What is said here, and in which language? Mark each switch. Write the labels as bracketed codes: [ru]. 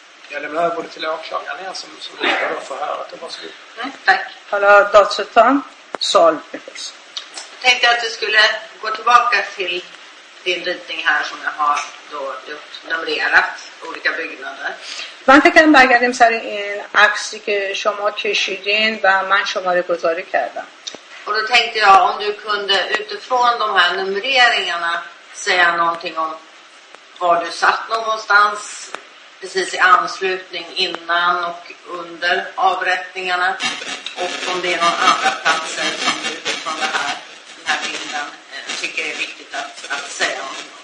[sv] Jag lämnar över till åklagaren som lyder då förhöret. Varsågod. Tack. Hallå, Datsutan. Sal. Jag tänkte att du skulle gå tillbaka till din ritning här som jag har då gjort, numrerat olika byggnader. [fa] من فکر کردم برگردیم سر این عکسی که شما کشیدین و من شماره گذاری کردم. [sv] Och då tänkte jag om du kunde utifrån de här numreringarna säga någonting om var du satt någonstans. Precis i anslutning innan och under avrättningarna, och om det är någon andra platser som du utifrån den här bilden tycker det är viktigt att säga om.